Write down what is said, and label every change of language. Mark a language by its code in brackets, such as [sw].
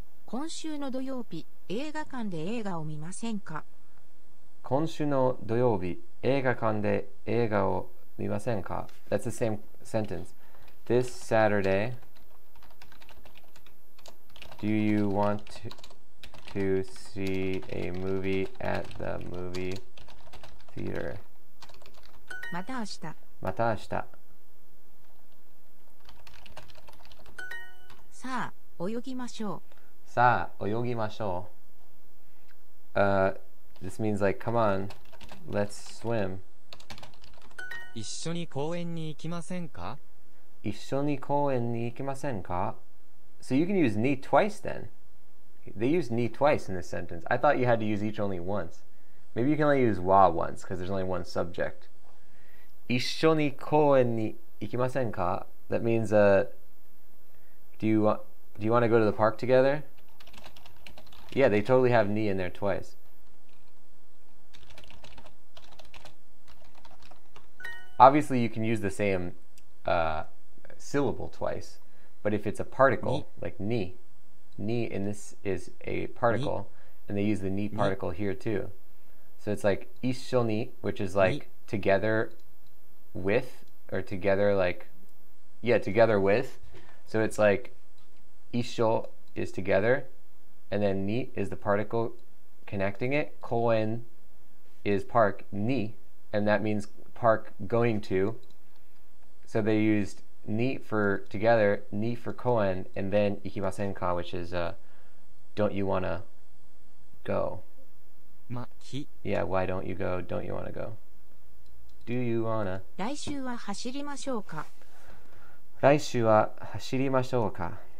[ja] 今週の土曜日、映画館で映画を見ませんか? 今週の土曜日、映画館で映画を見ませんか? [en] That's the same sentence. This Saturday, do you want to see a movie at the movie theater? [ja] また明日。また明日。さあ、泳ぎましょう。さあ、泳ぎましょう。 [en] This means like, come on, let's swim. [ja] 一緒に公園に行きませんか? 一緒に公園に行きませんか? [en] So you can use ni twice then. They use ni twice in this sentence. I thought you had to use each only once. Maybe you can only use wa once, because there's only one subject. [ja] 一緒に公園に行きませんか? [en] That means, do you want to go to the park together? Yeah, they totally have ni in there twice. Obviously, you can use the same, syllable twice, but if it's a particle, ni. Like ni, ni in this is a particle, ni. And they use the ni particle ni. Here too. So it's like 一緒に, which is like ni. Together,with or together like yeah together with so it's like 一緒 is together and then ni is the particle connecting it 公園 is park ni and that means park going to so they used ni for together ni for 公園 and then [ja] 行きませんか [en] which is don't you wanna go まき yeah why don't you go don't you wanna go Do you wanna? [ja] 来週は走りましょうか。来週は走りましょうか。